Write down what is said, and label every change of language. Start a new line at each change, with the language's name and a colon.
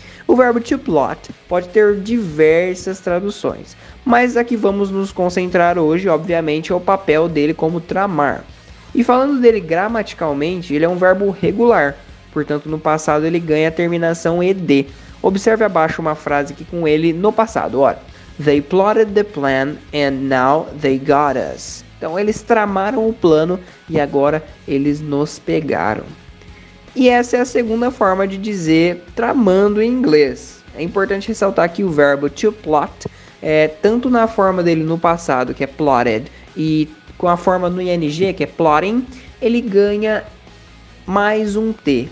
Portuguese: O verbo to plot pode ter diversas traduções, mas a que vamos nos concentrar hoje, obviamente, é o papel dele como tramar. E falando dele gramaticalmente, ele é um verbo regular, portanto no passado ele ganha a terminação ed. Observe abaixo uma frase aqui com ele no passado, ora.
English: They plotted the plan and now they got us.
Portuguese: Então eles tramaram o plano e agora eles nos pegaram. E essa é a segunda forma de dizer tramando em inglês. É importante ressaltar que o verbo to plot, tanto na forma dele no passado, que é plotted, e com a forma no ing, que é plotting, ele ganha mais um T.